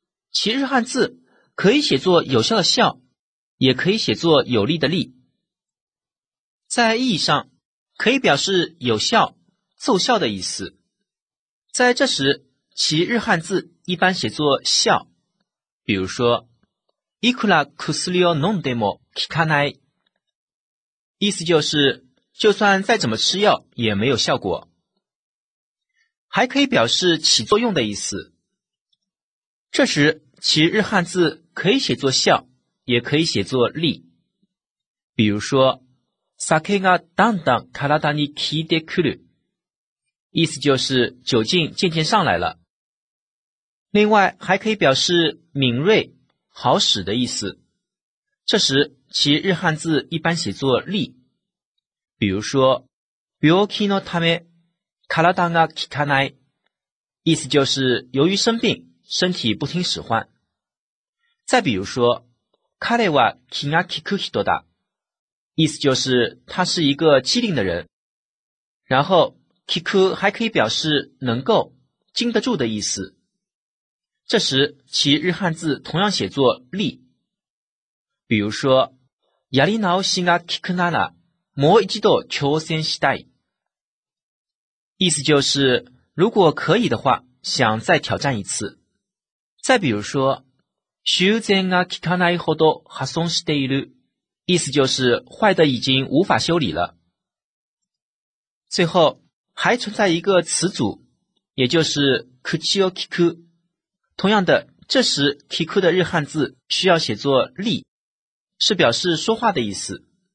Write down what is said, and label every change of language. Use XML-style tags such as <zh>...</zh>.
<zh>其日汉字可以写作有效的效，也可以写作有力的力。在意义上可以表示有效、奏效的意思，在这时其日汉字一般写作效。比如说</zh> <ja>いくら薬を飲んでも効かない，</ja> <zh>意思就是就算再怎么吃药也没有效果。还可以表示起作用的意思，这时其日汉字可以写作笑，也可以写作力。比如说</zh> <ja>酒がだんだん体に効いてくる，</ja> <zh>意思就是酒劲渐渐上来了。另外还可以表示敏锐、好使的意思，这时其日汉字一般写作力。比如说</zh> <ja>病気のため体が効かない，</ja> <zh>意思就是由于生病身体不听使唤。再比如说</zh> <ja>彼は気が利く人だ，</ja> <zh>意思就是他是一个机灵的人。然后利く还可以表示能够、经得住的意思，这时其日汉字同样写作利。比如说</zh> <ja>やり直しが利くならもう一度挑戦したい，</ja> <zh>意思就是如果可以的话想再挑战一次。再比如说</zh> <ja>修繕が効かないほど破損している。</ja> <zh>意思就是坏的已经无法修理了。最后还存在一个词组也就是口を利く。同样的这时利く的日汉字需要写作利是表示说话的意思。</zh>